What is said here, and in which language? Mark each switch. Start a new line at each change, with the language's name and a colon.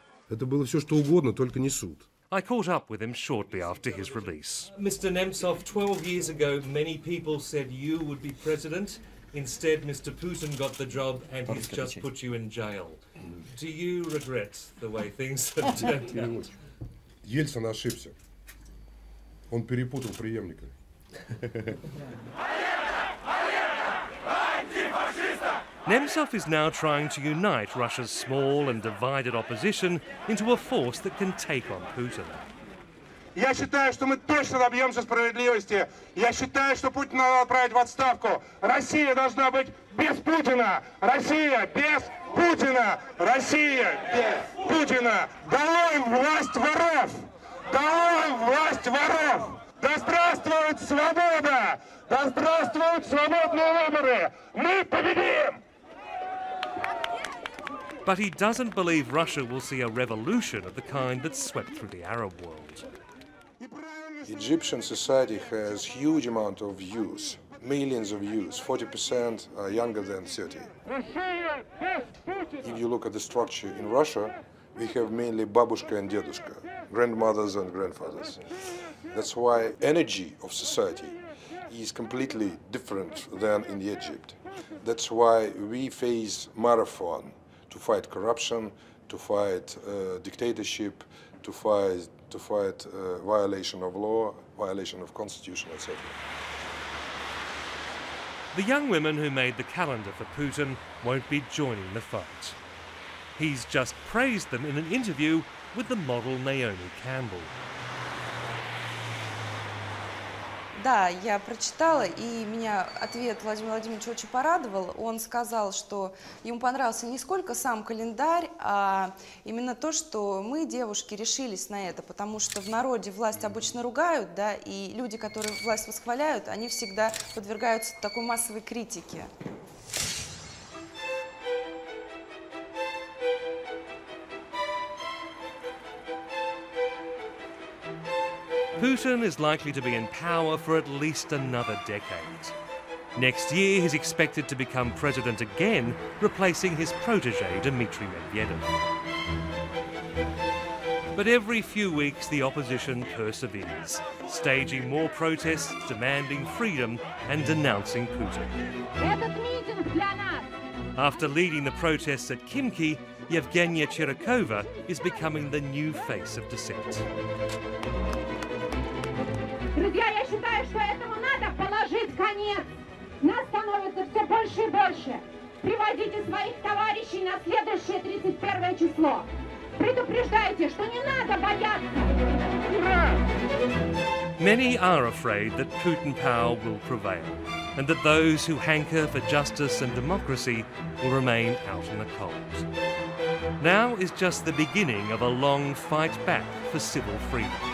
Russian: Это было все что угодно, только не суд.
English: I caught up with him shortly after his release. Mr. Nemtsov, 12 years ago, many people said you would be president. Instead, Mr. Putin got the job and he's just put you in jail. Do you regret the way things have turned out?
Russian: Ельцин ошибся. Он перепутал преемника.
English: Nemtsov is now trying to unite Russia's small and divided opposition into a force that can take on Putin.
Russian: Я считаю, что мы точно добьемся справедливости. Я считаю, что Путина надо отправить в отставку. Россия должна быть без Путина. Россия без Путина. Россия без Путина. Долой власть воров! Долой власть воров! Да здравствует свобода! Да здравствуют свободные выборы! Мы победим!
English: But he doesn't believe Russia will see a revolution of the kind that swept through the Arab world. Egyptian society has huge amount of youth, millions of youth, 40% are younger than 30. If you look at the structure in Russia, we have mainly babushka and dedushka, grandmothers and grandfathers. That's why energy of society is completely different than in Egypt. That's why we face marathon to fight corruption, to fight dictatorship, to fight violation of law, violation of constitution, etc. The young women who made the calendar for Putin won't be joining the fight. He's just praised them in an interview with the model Naomi Campbell.
Russian: Да, я прочитала, и меня ответ Владимира Владимировича очень порадовал. Он сказал, что ему понравился не сколько сам календарь, а именно то, что мы, девушки, решились на это, потому что в народе власть обычно ругают, да, и люди, которые власть восхваляют, они всегда подвергаются такой массовой критике.
English: Putin is likely to be in power for at least another decade. Next year, he's expected to become president again, replacing his protege, Dmitry Medvedev. But every few weeks, the opposition perseveres, staging more protests, demanding freedom, and denouncing Putin. After leading the protests at Khimki, Yevgenia Chirikova is becoming the new face of dissent.
Russian: Друзья, я считаю, что этому надо положить конец. Нас становится все больше и больше. Приводите своих товарищей на следующее 31 число. Предупреждайте, что не надо бояться. Ура!
English: Many are afraid that Putin power will prevail, and that those who hanker for justice and democracy will remain out in the cold. Now is just the beginning of a long fight back for civil freedom.